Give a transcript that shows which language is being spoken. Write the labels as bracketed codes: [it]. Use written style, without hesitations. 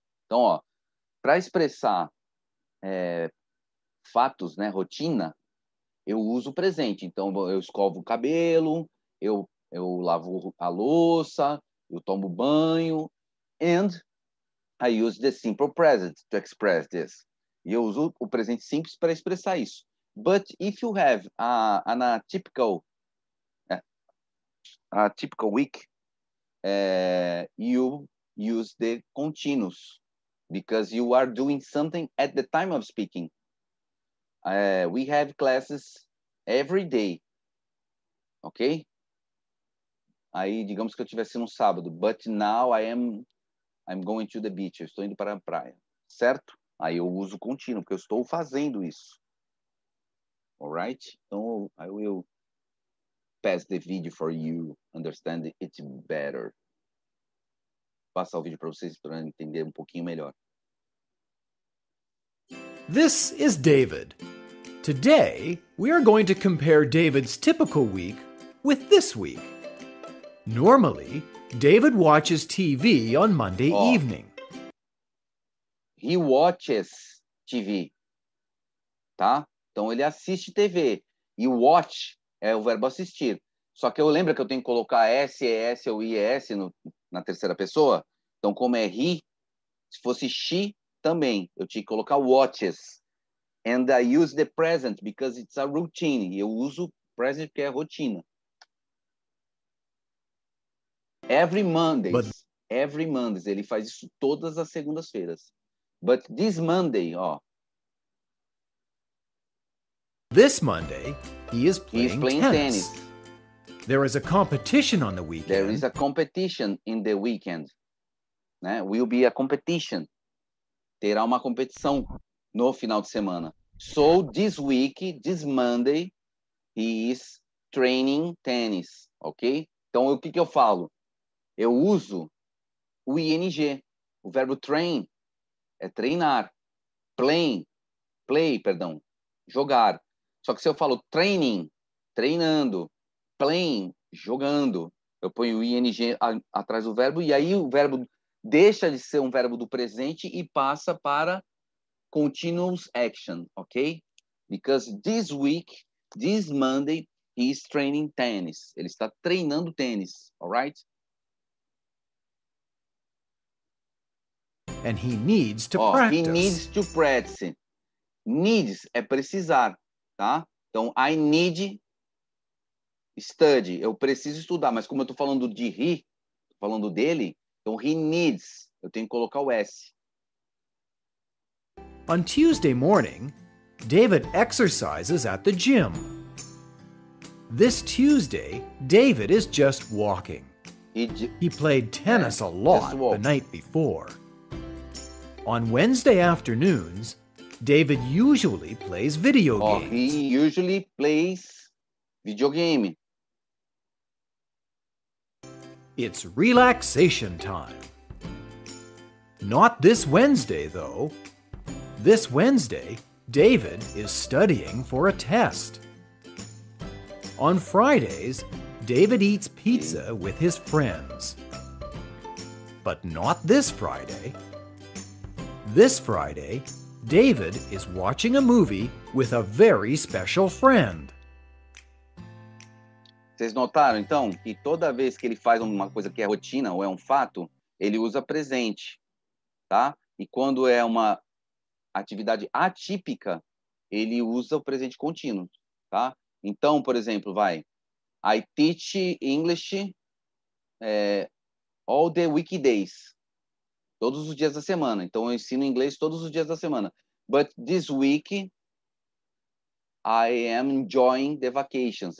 [pt] Então, ó, para expressar fatos, né, rotina, eu uso o presente. Então, eu escovo o cabelo, eu lavo a louça, eu tomo banho, [en] and I use the simple present to express this. [pt] E eu uso o presente simples para expressar isso. [en] But if you have a typical week, you use the continuous because you are doing something at the time of speaking. We have classes every day, okay? [pt] Aí, digamos que eu tivesse num sábado, [en] but now I'm going to the beach, [pt] eu estou indo para a praia, certo? Aí eu uso contínuo, porque eu estou fazendo isso. [en] All right? Então, I will pass the video for you, understand it better. [pt] Passar o vídeo para vocês para entender um pouquinho melhor. [en] This is David. Today, we are going to compare David's typical week with this week. Normally, David watches TV on Monday evening. He watches TV, tá? [pt] Então, ele assiste TV. E watch é o verbo assistir. Só que eu lembro que eu tenho que colocar S, E-S ou I-E-S na terceira pessoa. Então, como é he, se fosse she, também. Eu tinha que colocar watches. [en] And I use the present because it's a routine. [pt] E eu uso present porque é rotina. [en] Every Monday, [pt] ele faz isso todas as segundas-feiras. [en] But this Monday, ó. This Monday, he is playing tennis. There is a competition on the weekend. There is a competition in the weekend. Né? Will be a competition. [pt] Terá uma competição no final de semana. [en] So this week, this Monday, he is training tennis, ok? [pt] Então, o que eu falo? Eu uso o ing, o verbo train, é treinar. Play, jogar. Só que se eu falo training, treinando, playing, jogando, eu ponho o ing atrás do verbo, e aí o verbo deixa de ser um verbo do presente e passa para continuous action, ok? [en] Because this week, this Monday, he is training tennis. [pt] Ele está treinando tênis, [en] all right? And he needs to practice. He needs to practice. Needs [pt] é precisar, tá? Então, [en] I need [pt] Study, eu preciso estudar, mas como eu estou falando de he, falando dele, então he needs, eu tenho que colocar o S. [en] On Tuesday morning, David exercises at the gym. This Tuesday, David is just walking. He played tennis a lot the night before. On Wednesday afternoons, David usually plays video games. He usually plays video game. It's relaxation time. Not this Wednesday, though. This Wednesday, David is studying for a test. On Fridays, David eats pizza with his friends. But not this Friday. This Friday, David is watching a movie with a very special friend. [pt] Vocês notaram, então, que toda vez que ele faz uma coisa que é rotina ou é um fato, ele usa presente, tá? E quando é uma atividade atípica, ele usa o presente contínuo, tá? Então, por exemplo, vai, [en] I teach English all the weekdays, [pt] todos os dias da semana. Então, eu ensino inglês todos os dias da semana. [en] But this week, I am enjoying the vacations.